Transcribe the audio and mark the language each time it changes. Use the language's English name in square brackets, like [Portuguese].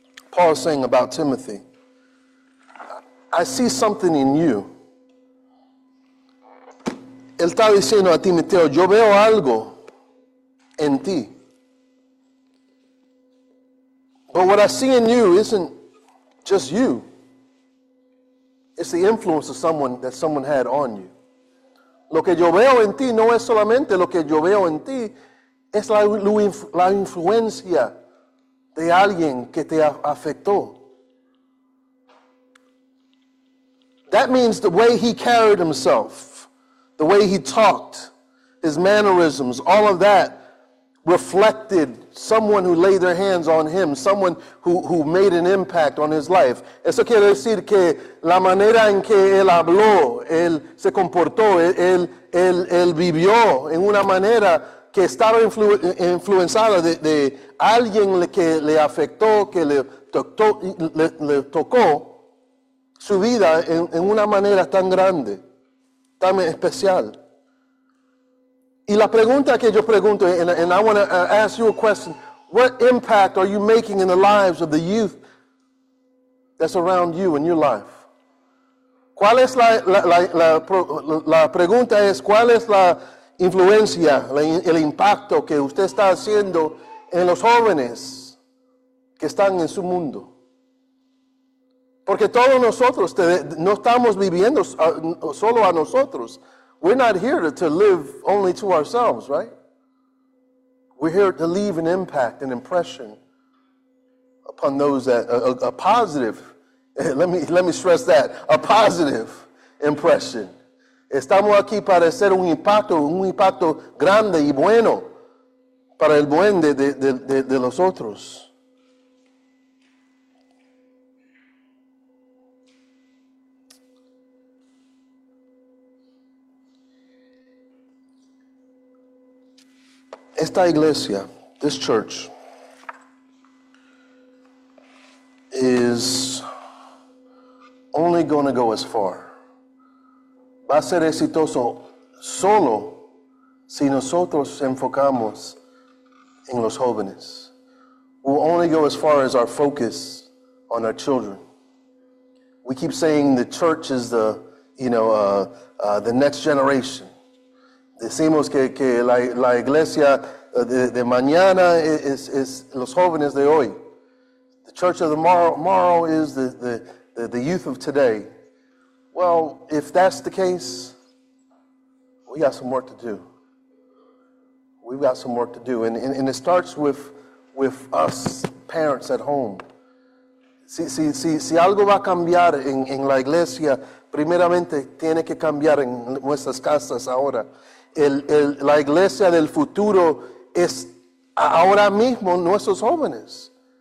[English] Paul's saying about Timothy, I see something in you. [Spanish] Él está diciendo a Timoteo, yo veo algo en ti. [English] But what I see in you isn't just you. It's the influence of someone had on you. [Spanish] Lo que yo veo en ti no es solamente lo que yo veo en ti, es la influencia de alguien que te afectó. [English] That means the way he carried himself, the way he talked, his mannerisms, all of that reflected someone who laid their hands on him, someone who made an impact on his life. [Spanish] Eso quiere decir que la manera en que él habló, él se comportó, él vivió en una manera que estaba influenciada de alguien que le afectó, que le tocó su vida en una manera tan grande, tan especial. Y la pregunta que yo pregunto, [English] and I want to ask you a question, what impact are you making in the lives of the youth that's around you in your life? [Spanish] ¿Cuál es la pregunta es, cuál es la influencia, el impacto que usted está haciendo en los jóvenes que están en su mundo? Porque todos nosotros no estamos viviendo solo a nosotros. [English] We're not here to live only to ourselves, right? We're here to leave an impact, an impression upon those that a positive. Let me stress that, a positive impression. [Spanish] Estamos aquí para hacer un impacto grande y bueno para el buen de los otros. Esta iglesia, [English] this church, is only going to go as far. [Spanish] Va a ser exitoso solo si nosotros enfocamos en los jóvenes. [English] We'll only go as far as our focus on our children. We keep saying the church is the next generation. [Spanish] Decimos que la iglesia de mañana es los jóvenes de hoy. [English] The church of tomorrow is the youth of today. Well, if that's the case, we got some work to do. We've got some work to do. And it starts with us parents at home. [Spanish] Si algo va a cambiar en la iglesia, primeramente tiene que cambiar en nuestras casas ahora. La iglesia del futuro es ahora mismo nuestros jóvenes.